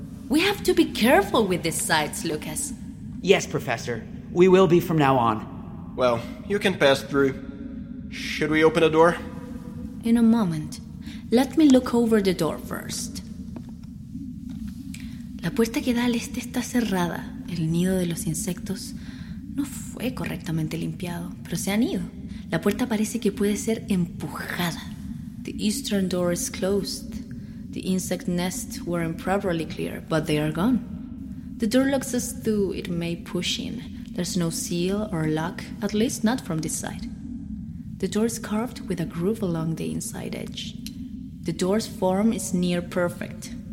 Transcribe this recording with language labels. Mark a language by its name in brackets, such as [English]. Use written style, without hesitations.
[English] We have to be careful with these sites, Lucas. Yes, Professor. We will be from now on. Well, you can pass through. Should we open a door? In a moment. Let me look over the door first. [Spanish] La puerta que da al este está cerrada. El nido de los insectos no fue correctamente limpiado, pero se han ido. La puerta parece que puede ser empujada. [English] The eastern door is closed. The insect nests were improperly cleared, but they are gone. The door looks as though it may push in. There's no seal or lock, at least not from this side. The door is carved with a groove along the inside edge. The door's form is near perfect.